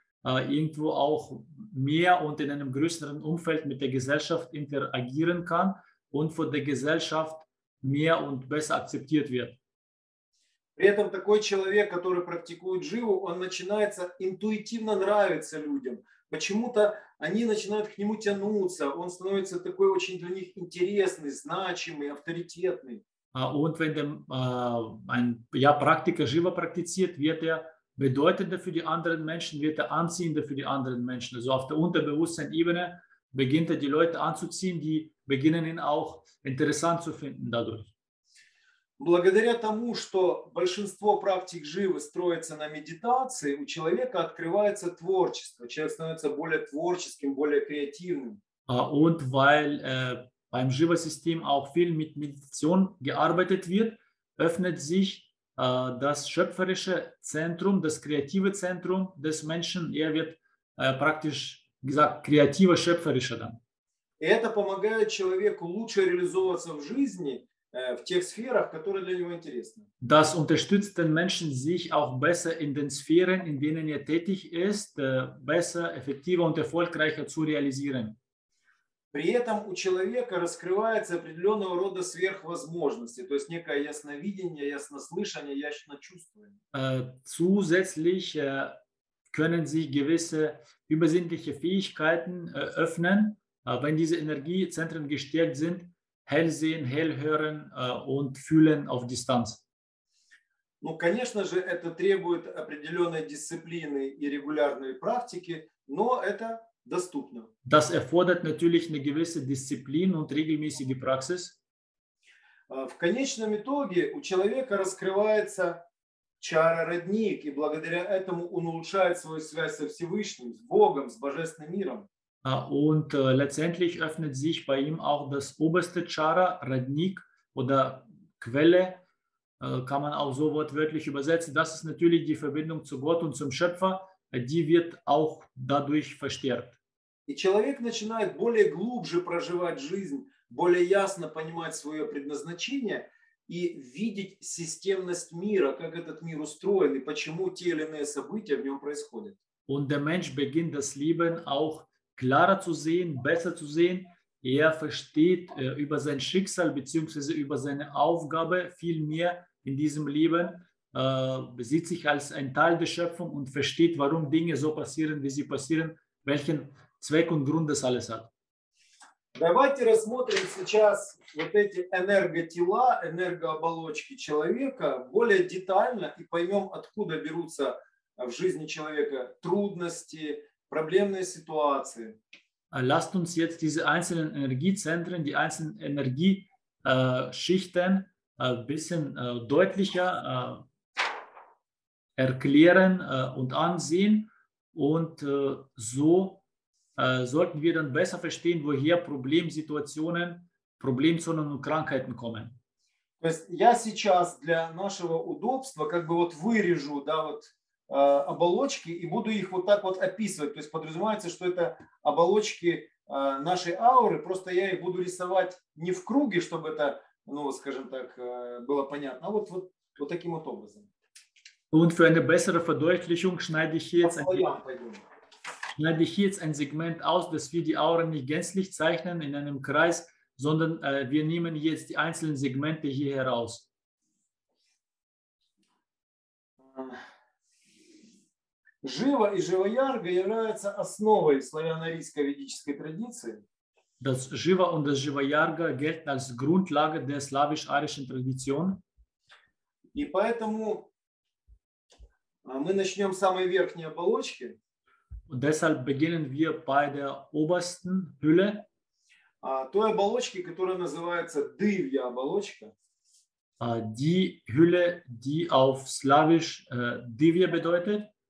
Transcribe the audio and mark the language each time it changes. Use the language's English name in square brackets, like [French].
[German] irgendwo auch mehr und in einem größeren Umfeld mit der Gesellschaft interagieren kann und von der Gesellschaft mehr und besser akzeptiert wird. [Russian] При этом такой человек, который практикует дживу, он начинается интуитивно нравиться людям. Почему-то они начинают к нему тянуться. Он становится такой очень для них интересный, значимый, авторитетный. [German] Und wenn der, ein ja, Praktiker Jiva praktiziert, wird er bedeutender für die anderen Menschen, wird er anziehender für die anderen Menschen. Also auf der Unterbewusstseinsebene beginnt er die Leute anzuziehen, die beginnen ihn auch interessant zu finden dadurch. [Russian] Благодаря тому, что большинство практик живы строится на медитации, у человека открывается творчество. Человек становится более творческим, более креативным. [German] Und weil beim Jiva-System auch viel mit Meditation gearbeitet wird, öffnet sich das schöpferische Zentrum, das kreative Zentrum des Menschen. Er wird praktisch gesagt kreativer, schöpferischer dann. [Russian] И это помогает человеку лучше реализовываться в жизни, в тех сферах, которые для него интересны. [German] Das unterstützt den Menschen, sich auch besser in den Sphären, in denen er tätig ist, besser, effektiver und erfolgreicher zu realisieren. [Russian] При этом у человека раскрывается определенного рода сверхвозможности, то есть некое ясновидение, яснослышание, ясночувствование. [German] Zusätzlich können sich gewisse übersinnliche Fähigkeiten öffnen, wenn diese Energiezentren gestärkt sind, hell sehen, hell hören und fühlen auf Distanz. [Russian] Ну, конечно же, это требует определенной дисциплины и регулярной практики, но это доступно. [German] Das erfordert natürlich eine gewisse Disziplin und regelmäßige Praxis. [Russian] В конечном итоге у человека раскрывается чара-родник, и благодаря этому он улучшает свою связь со Всевышним, с Богом, с Божественным миром. [German] Und letztendlich öffnet sich bei ihm auch das oberste Chara, Radnik oder Quelle, kann man auch so wortwörtlich übersetzen. Das ist natürlich die Verbindung zu Gott und zum Schöpfer, die wird auch dadurch verstärkt. [Russian] И человек начинает более глубже проживать жизнь, более ясно понимать свое предназначение и видеть системность мира, как этот мир устроен и почему те или иные события в нем происходят. [German] Und der Mensch beginnt das Leben auch klarer zu sehen, besser zu sehen. Er versteht über sein Schicksal bzw. über seine Aufgabe viel mehr in diesem Leben, sieht sich als ein Teil der Schöpfung und versteht, warum Dinge so passieren, wie sie passieren, welchen Zweck und Grund das alles hat. [Russian] Давайте рассмотрим сейчас вот эти энерготела, энергооболочки человека более детально и поймем, откуда берутся в жизни человека трудности, проблемные ситуации. [German] Lasst uns jetzt diese einzelnen Energiezentren, die einzelnen Energieschichten bisschen deutlicher erklären und ansehen und so sollten wir dann besser verstehen, woher Problemsituationen, Problemzonen und Krankheiten kommen. [Russian] То есть я сейчас для нашего удобства как бы вот вырежу, да, вот оболочки и буду их вот так вот описывать. То есть подразумевается, что это оболочки нашей ауры, просто я их буду рисовать не в круге, чтобы это, ну, скажем так, было понятно, а вот, вот, вот таким вот образом. [German] Und für eine bessere Verdeutlichung schneide ich jetzt ein Segment aus, dass wir die Aura nicht gänzlich zeichnen in einem Kreis, sondern wir nehmen jetzt die einzelnen Segmente hier heraus. [Russian] Жива и живоярга являются основой славяно-арийской ведической традиции. [German] Das Жива und das Живоярга gelten als Grundlage der slawisch-arischen Tradition. [Russian] И поэтому мы начнем с самой верхней оболочки. [German] Und deshalb beginnen wir bei der obersten Hülle. [Russian] Той оболочки, которая называется Дивья оболочка. [German] Die Hülle, die auf Slawisch Дивья bedeutet.